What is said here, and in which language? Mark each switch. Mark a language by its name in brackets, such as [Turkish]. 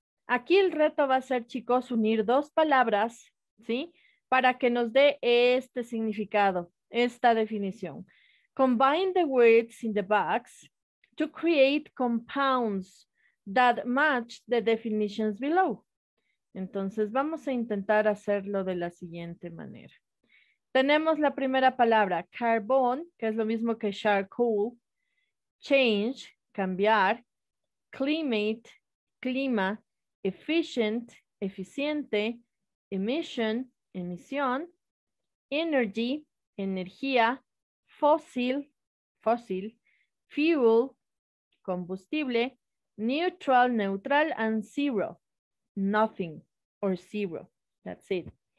[Spanish] Aquí el reto va a ser, chicos, unir dos palabras, ¿sí? Para que nos dé este significado, esta definición. [English] Combine the words in the box to create compounds. that match the definitions below. [Spanish] Entonces vamos a intentar hacerlo de la siguiente manera. Tenemos la primera palabra, carbon, que es lo mismo que charcoal, change, cambiar, climate, clima, efficient, eficiente, emission, emisión, energy, energía, fósil, fósil, fuel, combustible, neutral, neutral, [English] and zero, nothing or zero. That's it.